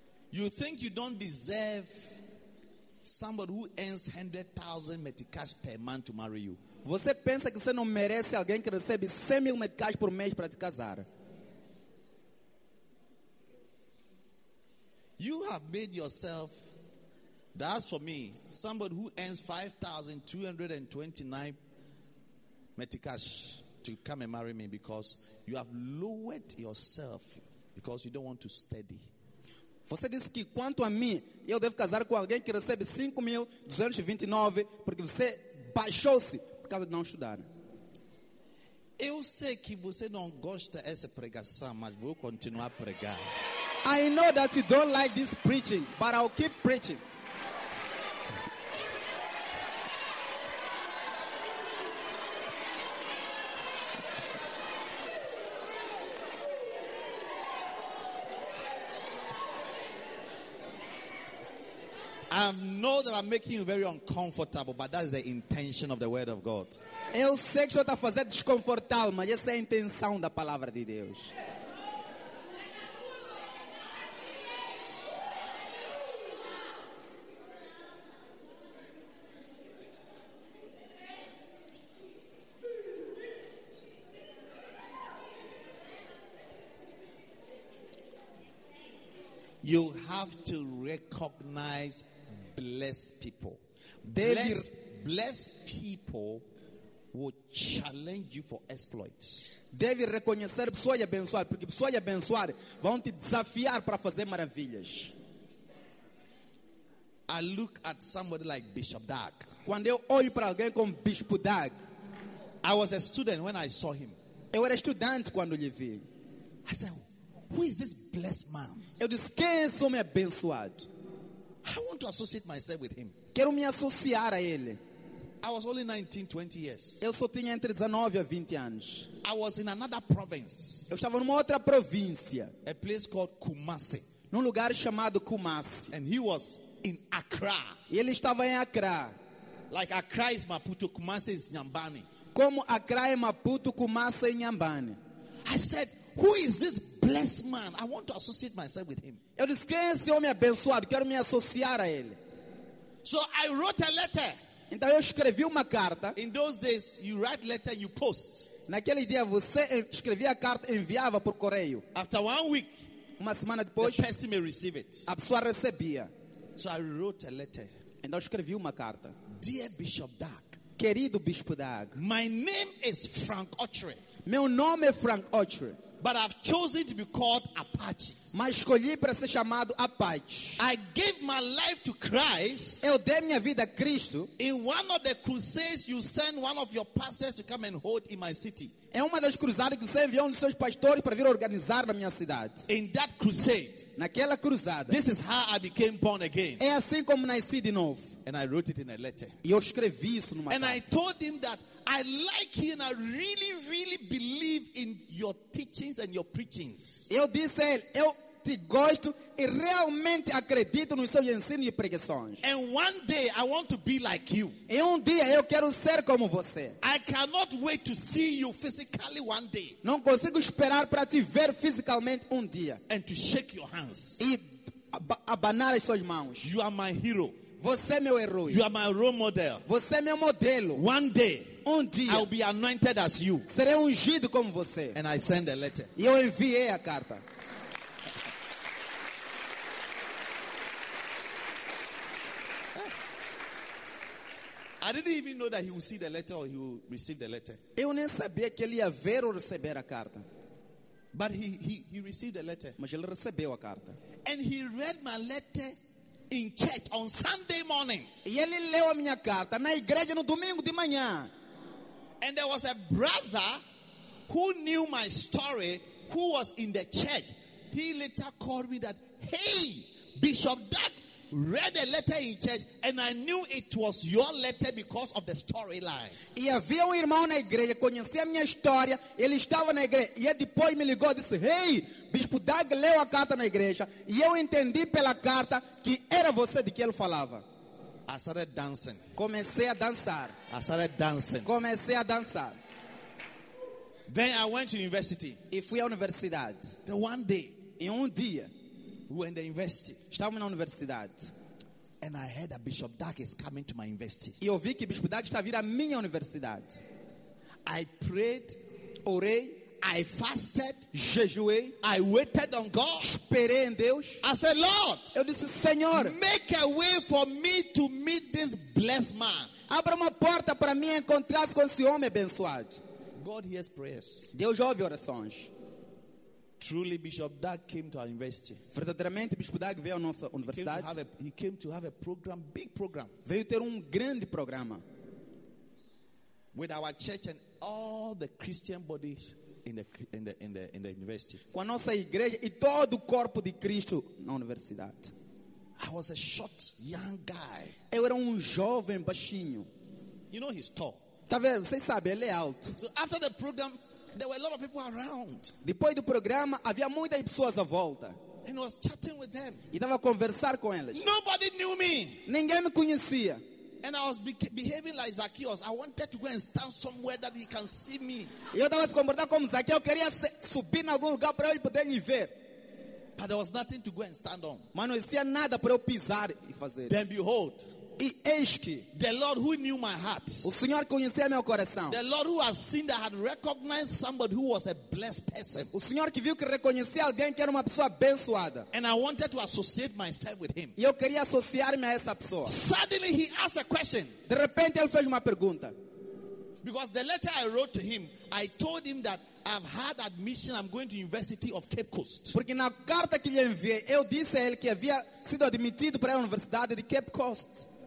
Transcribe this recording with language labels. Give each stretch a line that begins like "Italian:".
English: You think you don't deserve somebody who earns 100,000 meticais per month to marry you?
Portuguese: Você pensa que você não merece alguém que recebe 100 mil meticais por mês para te casar?
English: You have made yourself, that's for me, somebody who earns 5,229 meticais to come and marry me because you have lowered yourself because you don't want to study.
Portuguese: Você disse que quanto a mim, eu devo casar com alguém que recebe 5,229 porque você baixou-se por causa de não estudar. Eu sei que você não gosta dessa pregação, mas vou continuar a pregar.
English: I know that you don't like this preaching, but I'll keep preaching. I know that I'm making you very uncomfortable, but that is the intention of the word of God.
Portuguese: Eu sei que você está fazendo desconfortável, mas essa é a intenção da palavra de Deus.
English: You have to recognize blessed people. Blessed people will challenge you for exploits.
Portuguese: Deve reconhecer pessoas abençoadas, porque pessoas abençoadas vão te desafiar para fazer maravilhas.
English: I look at somebody like Bishop Doug.
Portuguese: Quando eu olho para alguém como Bispo Doug,
English: I was a student when I saw him.
Portuguese: Eu era estudante quando lhe vi.
English: I said, "Who is this blessed man?"
Portuguese: Eu disse, "Quem é esse homem abençoado?"
English: I want to associate myself with him.
Portuguese: Quero me associar a ele.
English: I was only 19, 20 years.
Portuguese: Eu só tinha entre 19 e 20 anos.
English: I was in another province.
Portuguese: Eu estava numa outra província.
English: A place called Kumasi.
Portuguese: Num lugar chamado Kumasi.
English: And he was in Accra.
Portuguese: E ele estava em Accra.
English: Like Accra is Maputo, Kumasi is Nyambani.
Portuguese: Como Accra é Maputo, Kumasi é Nyambani.
English: I said, "Who is this blessed man? I want to associate myself with him."
Portuguese: Eu disse, "Quem é esse homem abençoado? Quero me associar a ele."
English: So I wrote a letter.
Portuguese: Então eu escrevi uma carta.
English: In those days, you write letter, you post.
Portuguese: Naquele dia você escrevia a carta, enviava por correio.
English: After 1 week,
Portuguese: uma semana depois,
English: the person may receive it.
Portuguese: A pessoa recebia.
English: So I wrote a letter.
Portuguese: Então eu escrevi uma carta.
English: Dear Bishop Doug.
Portuguese: Querido Bispo Doug.
English: My name is Frank Autry.
Portuguese: Meu nome é Frank Autry.
English: But I've chosen to be called Apache.
Portuguese: Mas escolhi para ser chamado Apache.
English: I gave my life to Christ.
Portuguese: Eu dei minha vida a Cristo.
English: In one of the crusades, you sent one of your pastors to come and hold in my city.
Portuguese: É uma das cruzadas que você enviou um dos seus pastores para vir organizar na minha cidade.
English: In that crusade.
Portuguese: Naquela cruzada.
English: This is how I became born again.
Portuguese: É assim como nasci de novo.
English: And I wrote it in a letter.
Portuguese: E eu escrevi isso numa
English: carta. And I told him that I like you and I really, really believe in your teachings and your preachings.
Portuguese: Eu disse a ele, eu te gosto e realmente acredito no seu ensino e pregações.
English: And one day I want to be like you.
Portuguese: E dia eu quero ser como você.
English: I cannot wait to see you physically one day.
Portuguese: Não consigo esperar para te ver fisicamente dia.
English: And to shake your hands.
Portuguese: E abanar as suas mãos.
English: You are my hero.
Portuguese: Você é meu herói.
English: You are my role model.
Portuguese: Você é meu modelo.
English: One day,
Portuguese: dia,
English: I'll be anointed as you.
Portuguese: Serei ungido como você.
English: And I send a letter.
Portuguese: E eu enviei a carta.
English: I didn't even know that he would see the letter or he would receive the letter.
Portuguese: Eu nem sabia que ele ia ver ou receber a carta.
English: But he received a letter.
Portuguese: Mas ele recebeu a carta.
English: And he read my letter in church on Sunday morning.
Portuguese: E ele leu a minha carta na igreja no domingo de manhã.
English: And there was a brother who knew my story, who was in the church. He later called me that, "Hey, Bishop Doug read a letter in church and I knew it was your letter because of the storyline."
Portuguese: E havia irmão na igreja, conhecia a minha história, ele estava na igreja e depois me ligou e disse, "Hey, Bispo Doug leu a carta na igreja e eu entendi pela carta que era você de que ele falava."
English: I started dancing.
Portuguese: Comecei a dançar.
English: I started dancing.
Portuguese: Comecei a dançar.
English: Then I went to university.
Portuguese: E fui à universidade.
English: Then one day,
Portuguese: em dia,
English: we were in the university.
Portuguese: Estávamos na universidade.
English: And I heard that Bishop Doug is coming to my university.
Portuguese: E ouvi que Bispo Doug está vindo à minha universidade.
English: I prayed,
Portuguese: orei.
English: I fasted,
Portuguese: jejuei.
English: I waited on God,
Portuguese: esperei em Deus.
English: I said, "Lord,
Portuguese: eu disse, Senhor,
English: make a way for me to meet this blessed man."
Portuguese: Abra uma porta para mim encontrar com esse homem abençoado.
English: God hears prayers.
Portuguese: Deus ouve orações.
English: Truly, Bishop Doug came to our university.
Portuguese: Verdadeiramente, Bispo Doug veio à nossa universidade.
English: He came to have a program, big program.
Portuguese: Veio ter grande programa
English: with our church and all the Christian bodies. in the university.
Portuguese: Com a nossa igreja e todo o corpo de Cristo na universidade.
English: I was a short young guy.
Portuguese: Eu era jovem baixinho.
English: You know he's tall.
Portuguese: Tá vendo? Você sabe, ele é alto.
English: So after the program, there were a lot of people around.
Portuguese: Depois do programa, havia muitas pessoas à volta.
English: And I was chatting with them.
Portuguese: E tava a conversar com eles.
English: Nobody knew me.
Portuguese: Ninguém me conhecia.
English: And I was behaving like Zacchaeus. I wanted to go and stand somewhere that he can see me.
Portuguese: Eu tava se comportando como Zacchaeus. Eu queria subir em algum lugar para ele poder me ver.
English: But there was nothing to go and stand on.
Portuguese: Mas não existia nada para eu pisar e fazer.
English: Then behold,
Portuguese: e eis que
English: the Lord who knew my heart,
Portuguese: o Senhor conhecia meu coração.
English: The Lord who has seen that had recognized somebody who was a blessed person.
Portuguese: O Senhor que viu que reconhecia alguém que era uma pessoa abençoada.
English: And I wanted to associate myself with him.
Portuguese: E eu queria associar-me a essa pessoa.
English: Suddenly he asked a question.
Portuguese: De repente ele fez uma pergunta.
English: Because the letter I wrote to him, I told him that I've had admission, I'm going to University of Cape Coast.
Portuguese: Porque na carta que lhe enviei, eu disse a ele que havia sido admitido para a Universidade de Cape Coast.